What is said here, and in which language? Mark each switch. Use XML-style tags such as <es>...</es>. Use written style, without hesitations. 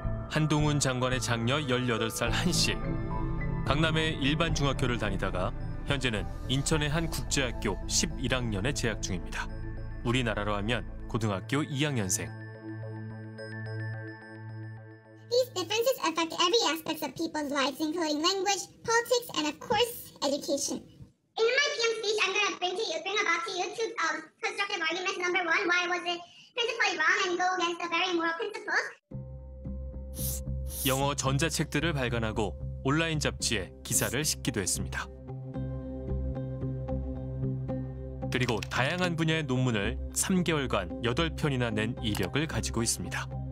<ko>한동훈 장관의 장녀 18살 한씨. 강남의 일반 중학교를 다니다가 현재는 인천의 한 국제학교 11학년에 재학 중입니다. 우리나라로 하면 고등학교 2학년생.</ko> <en>These differences affect every aspect of people's lives, including language, politics, and of course, education. In my PM speech, I'm going to bring about to you two constructive arguments. Number one, why was it principally wrong and go against the very moral principles?</en> <ko>영어 전자책들을 발간하고 온라인 잡지에 기사를 싣기도 했습니다. 그리고 다양한 분야의 논문을 3개월간 8편이나 낸 이력을 가지고 있습니다.</ko>